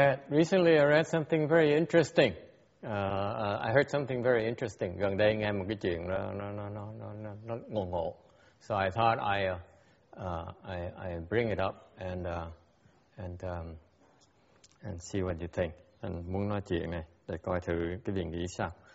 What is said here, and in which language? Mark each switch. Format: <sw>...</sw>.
<en>Recently I read something very interesting. I heard something very interesting.</en> <vi>Gần đây nghe một cái chuyện nó ngộ ngộ.</vi> <en>So I thought I bring it up and see what you think.</en> <vi>And muốn nói chuyện này để coi thử cái viện nghĩ sao.</vi>